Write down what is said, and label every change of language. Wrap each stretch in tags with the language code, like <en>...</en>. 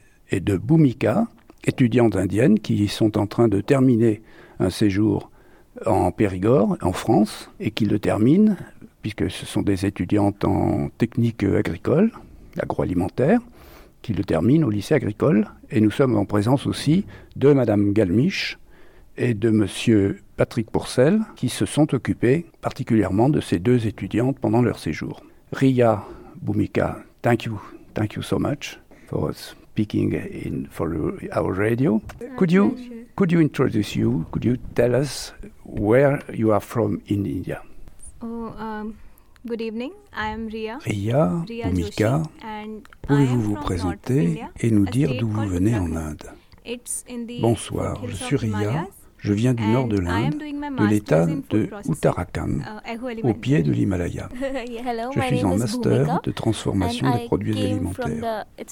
<fr>et de Bhumika, étudiantes indiennes qui sont en train de terminer un séjour en Périgord, en France, et qui le terminent, puisque ce sont des étudiantes en technique agricole, agroalimentaire, qui le terminent au lycée agricole. Et nous sommes en présence aussi de Madame Galmiche et de Monsieur Patrick Pourcel, qui se sont occupés particulièrement de ces deux étudiantes pendant leur séjour.</fr> <en>Ria, Bhumika, thank you so much for us. Speaking in for our radio, could you introduce you? Could you tell us where you are from in India? Good evening. I am Ria. Ria Bhumika.</en> <fr>Pouvez-vous vous présenter et nous dire d'où vous venez en Inde? Bonsoir. Je suis Ria. Je viens du nord de l'Inde, de l'État de Uttarakhand, au pied de l'Himalaya. Je suis en master de transformation des produits alimentaires.</fr>